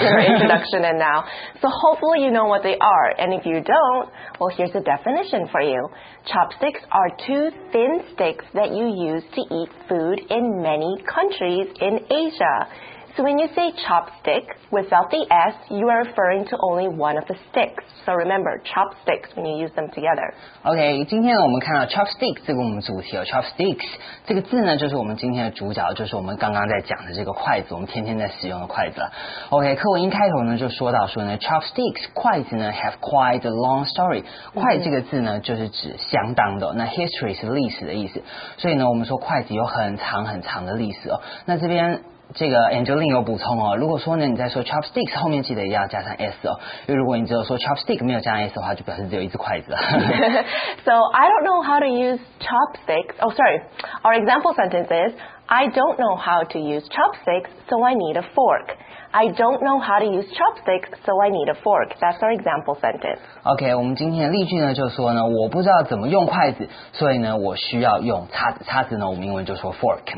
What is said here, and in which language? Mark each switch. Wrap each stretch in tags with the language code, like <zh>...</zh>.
<en>In our introduction and now. So hopefully you know what they are, and if you don't, well, here's a definition for you. Chopsticks are two thin sticks that you use to eat food in many countries in Asia. So when you say chopstick, without the S, you are referring to only one of the sticks. So remember, chopsticks when you use them together.</en> <zh>Okay, 今天我们看到 chopstick 这个我们主题哦 chopsticks 这个字呢就是我们今天的主角就是我们刚刚在讲的这个筷子我们天天在使用的筷子。 Okay, 课文一开头呢就说到说呢 chopsticks, 筷子呢</zh> <en>have quite a long story.</en> <zh>筷子这个字呢就是指相当的、哦、那 history 是历史的意思。所以呢我们说筷子有很长很长的历史哦。那这边这个 Angeline 有补充哦，如果说呢你在说 chopsticks 后面记得要加上 s 哦，因为如果你只有说 chopstick 没有加上 s 的话，就表示只有一只筷子了。</zh> <en>So I don't know how to use chopsticks. Oh, sorry. Our example sentence is I don't know how to use chopsticks, so I need a fork. I don't know how to use chopsticks, so I need a fork. That's our example sentence.</en> <zh>Okay, 我们今天的例句呢就说呢我不知道怎么用筷子所以呢我需要用叉子叉子呢我们英文就说 fork.</zh>